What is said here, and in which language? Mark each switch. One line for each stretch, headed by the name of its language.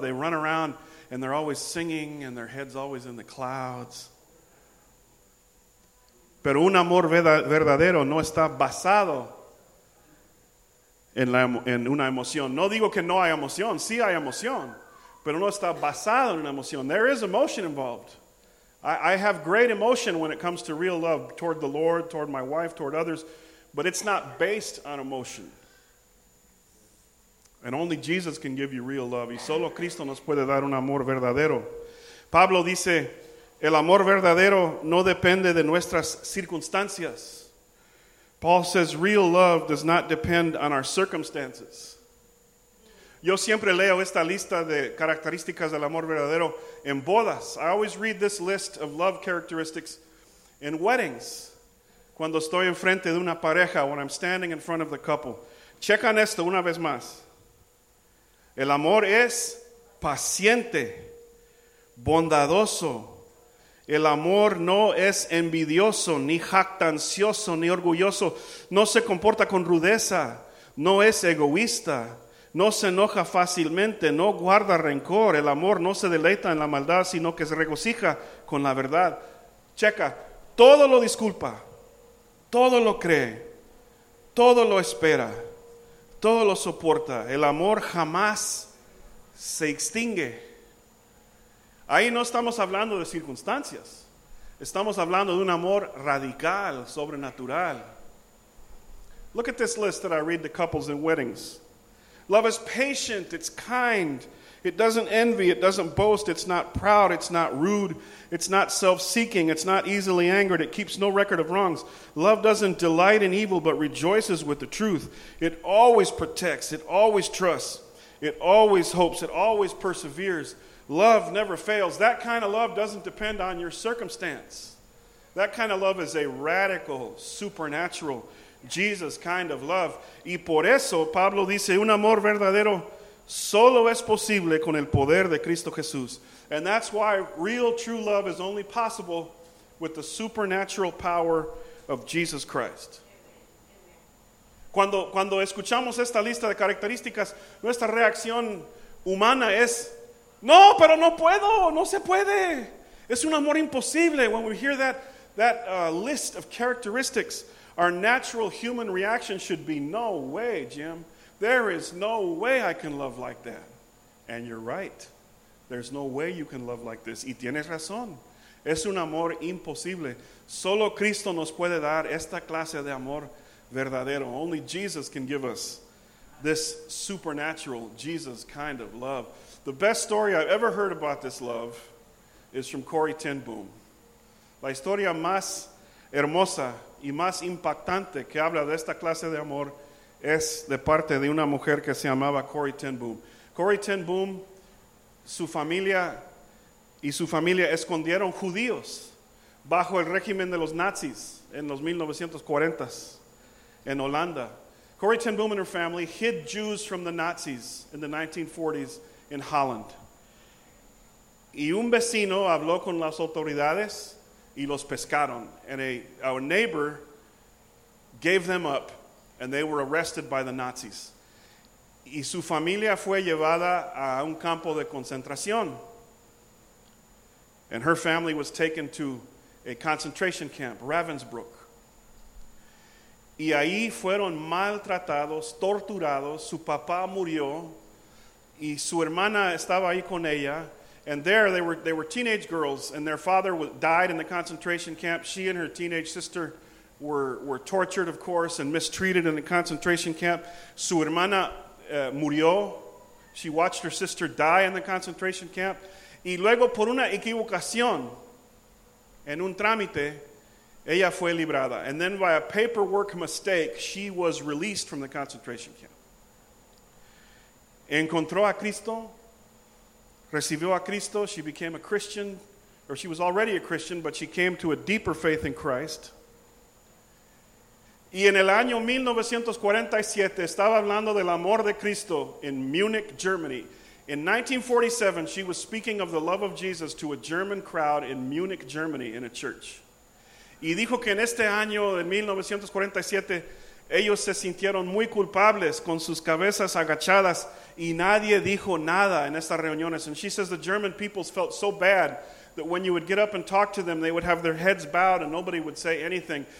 English: They run around and they're always singing and their head's always in the clouds.
Spanish: Pero un amor verdadero no está basado en una emoción. No digo que no hay emoción. Sí hay emoción. Pero no está basado en una emoción.
English: There is emotion involved. I have great emotion when it comes to real love toward the Lord, toward my wife, toward others. But it's not based on emotion. And only Jesus can give you real love.
Spanish: Y solo Cristo nos puede dar un amor verdadero. Pablo dice, el amor verdadero no depende de nuestras circunstancias.
English: Paul says, real love does not depend on our circumstances.
Spanish: Yo siempre leo esta lista de características del amor verdadero en bodas.
English: I always read this list of love characteristics in weddings.
Spanish: Cuando estoy enfrente de una pareja,
English: when I'm standing in front of the couple.
Spanish: Checan esto una vez más. El amor es paciente, bondadoso. El amor no es envidioso, ni jactancioso, ni orgulloso. No se comporta con rudeza, no es egoísta. No se enoja fácilmente, no guarda rencor. El amor no se deleita en la maldad, sino que se regocija con la verdad. Checa, todo lo disculpa, todo lo cree, todo lo espera, todo lo soporta. El amor jamás se extingue. Ahí no estamos hablando de circunstancias. Estamos hablando de un amor radical, sobrenatural.
English: Look at this list that I read to couples in weddings. Love is patient, it's kind, it doesn't envy, it doesn't boast, it's not proud, it's not rude, it's not self-seeking, it's not easily angered, it keeps no record of wrongs. Love doesn't delight in evil, but rejoices with the truth. It always protects, it always trusts, it always hopes, it always perseveres. Love never fails. That kind of love doesn't depend on your circumstance. That kind of love is a radical, supernatural Jesus kind of love.
Spanish: Y por eso Pablo dice, un amor verdadero solo es posible con el poder de Cristo Jesús.
English: And that's why real true love is only possible with the supernatural power of Jesus Christ.
Spanish: Cuando escuchamos esta lista de características, nuestra reacción humana es, no, pero no puedo, no se puede. Es un amor imposible.
English: When we hear that list of characteristics, our natural human reaction should be, no way, Jim. There is no way I can love like that. And you're right. There's no way you can love like this.
Spanish: Y tienes razón. Es un amor imposible. Solo Cristo nos puede dar esta clase de amor verdadero.
English: Only Jesus can give us this supernatural Jesus kind of love. The best story I've ever heard about this love is from Corrie Ten Boom.
Spanish: La historia más hermosa y más impactante que habla de esta clase de amor es de parte de una mujer que se llamaba Corrie Ten Boom. Corrie Ten Boom, su familia escondieron judíos bajo el régimen de los nazis en los 1940s en Holanda.
English: Corrie Ten Boom and her family hid Jews from the Nazis in the 1940s in Holland.
Spanish: Y un vecino habló con las autoridades y los pescaron.
English: And our neighbor gave them up, and they were arrested by the Nazis.
Spanish: Y su familia fue llevada a un campo de concentración.
English: And her family was taken to a concentration camp, Ravensbrück.
Spanish: Y ahí fueron maltratados, torturados. Su papá murió, y su hermana estaba ahí con ella.
English: And there, they were teenage girls, and their father died in the concentration camp. She and her teenage sister were tortured, of course, and mistreated in the concentration camp.
Spanish: Su hermana murió.
English: She watched her sister die in the concentration camp.
Spanish: Y luego, por una equivocación en un trámite, ella fue librada.
English: And then by a paperwork mistake, she was released from the concentration camp.
Spanish: Encontró a Cristo. Recibió a Cristo,
English: she became a Christian, or she was already a Christian, but she came to a deeper faith in Christ.
Spanish: Y en el año 1947, estaba hablando del amor de Cristo in Munich, Germany.
English: In 1947, she was speaking of the love of Jesus to a German crowd in Munich, Germany, in a church.
Spanish: Y dijo que en este año de 1947 ellos se sintieron muy culpables con sus cabezas agachadas y nadie dijo nada en estas reuniones.
English: And she says the German peoples felt so bad that when you would get up and talk to them, they would have their heads bowed and nobody would say anything.